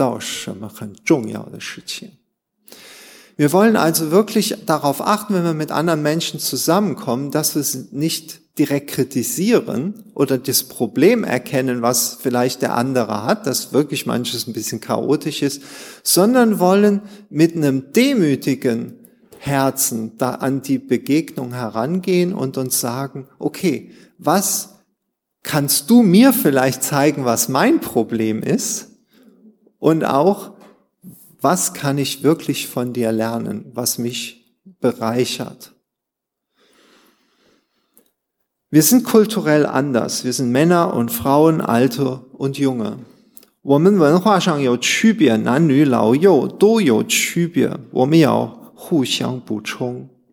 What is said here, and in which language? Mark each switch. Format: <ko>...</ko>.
<zh>你有问题，而且我知道你的问题在哪，就是那种批判态度。我要怀着一个谦卑的态度，要让你揭露我的问题在哪里，而且我要思索我从你那能学到什么很重要的事情。</zh> <de>Wir wollen also wirklich darauf achten, wenn wir mit anderen Menschen zusammenkommen, dass wir es nicht direkt kritisieren oder das Problem erkennen, was vielleicht der andere hat, dass wirklich manches ein bisschen chaotisch ist, sondern wollen mit einem demütigen Herzen da an die Begegnung herangehen und uns sagen, okay, was kannst du mir vielleicht zeigen, was mein Problem ist? Und auch, was kann ich wirklich von dir lernen, was mich bereichert? Wir sind kulturell anders. Wir sind Männer und Frauen, Alte und Junge.</de> <zh>我们文化上有区别，男女老幼都有区别，我们要互相补充。</zh>